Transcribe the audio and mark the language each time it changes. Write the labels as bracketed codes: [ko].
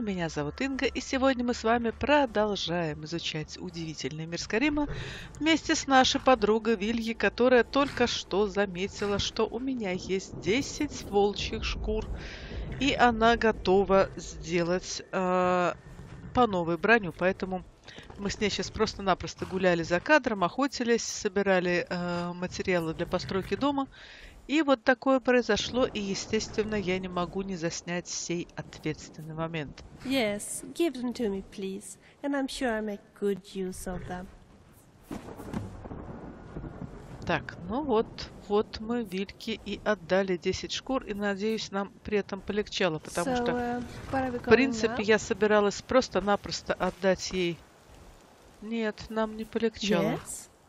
[ru] Меня зовут Инга, и сегодня мы с вами продолжаем изучать удивительный мир Скарима вместе с нашей подругой Вильей, которая только что заметила, что у меня есть 10 волчьих шкур, и она готова сделать по новой броню. Поэтому мы с ней сейчас просто-напросто гуляли за кадром, охотились, собирали материалы для постройки дома. И вот такое произошло, и, естественно, я не могу не заснять сей ответственный момент. [en] Yes, give them to me, please. And I'm sure I make good use of them. [ru] Так, ну вот, вот мы Вильке и отдали 10 шкур, и, надеюсь, нам при этом полегчало, потому что, в принципе, я собиралась просто-напросто отдать ей... Нет, нам не полегчало. [en] Yes.